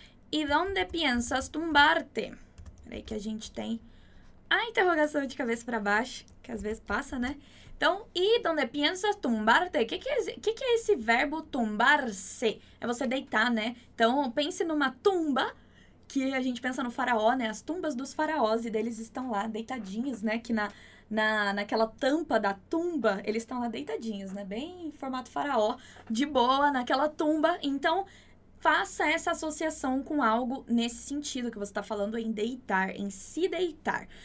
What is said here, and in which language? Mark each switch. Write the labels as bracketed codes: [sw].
[es] ¿Y dónde piensas tumbarte? [pt] Peraí que a gente tem a interrogação de cabeça para baixo, que às vezes passa, né? [es] Então, ¿y dónde piensas tumbarte? ¿Qué es esse verbo tumbarse? [pt] É você deitar, né? Então, pense numa tumba, que a gente pensa no faraó, né? As tumbas dos faraós, e deles estão lá deitadinhos, né? Que naquela tampa da tumba, eles estão lá deitadinhos, né? Bem em formato faraó, de boa, naquela tumba. Então, faça essa associação com algo nesse sentido, que você está falando em deitar, em se deitar.